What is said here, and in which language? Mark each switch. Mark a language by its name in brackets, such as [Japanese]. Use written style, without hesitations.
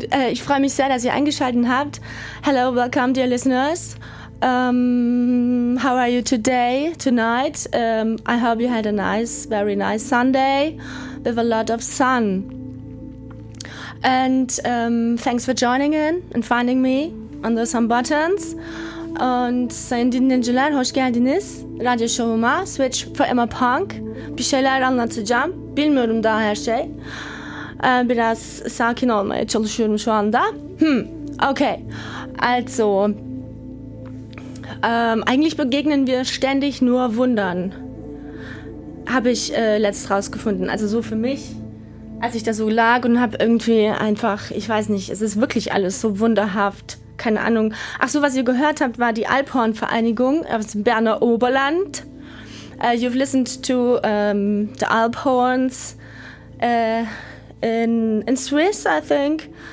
[German] Ich freue mich sehr, dass ihr eingeschaltet habt. [English] Hello, welcome, dear listeners. How are you today, tonight? I hope you had a nice, very nice Sunday with a lot of sun. And thanks for joining in and finding me under some buttons. [Turkish] Und sayın dinleyiciler, hoş geldiniz radyo şovuma, Switch for Emma Punk. Bir şeyler anlatacağım, bilmiyorum daha her şey. Biraz sakin olmaya çalışıyorum şu anda. [German] Okay, also, eigentlich begegnen wir ständig nur Wundern, habe ich letztens rausgefunden, also so für mich. Als ich da so lag und hab irgendwie einfach, ich weiß nicht, es ist wirklich alles so wunderhaft, keine Ahnung. Ach so, was ihr gehört habt, war die Alphorn-Vereinigung aus dem Berner Oberland. [English] You've listened to the Alphorns in Swiss, I think.